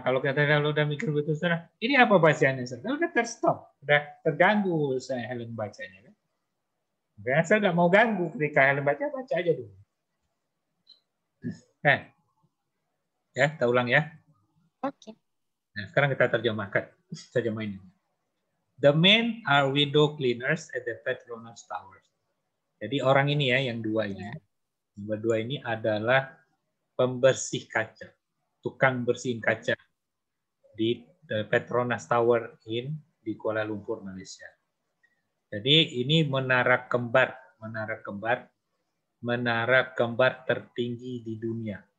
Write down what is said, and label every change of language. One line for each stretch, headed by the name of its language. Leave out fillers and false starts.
Indonesian: Kalau kita udah mikir betul salah. Ini apa bacaannya? Kalau udah terstop. Udah terganggu saya Helen bacanya. Saya nggak mau ganggu ketika Helen baca, baca aja dulu. Nah, ya, kita ulang ya. Oke. Nah, sekarang kita terjemahkan. Terjemahin.
English: The men are window cleaners at the Petronas Towers.
Indonesian: Jadi orang ini ya, yang dua ini. Yang berdua ini adalah pembersih kaca. Tukang bersihin kaca di Petronas Tower in di Kuala Lumpur, Malaysia. Jadi ini menara kembar, menara kembar, menara kembar tertinggi di dunia.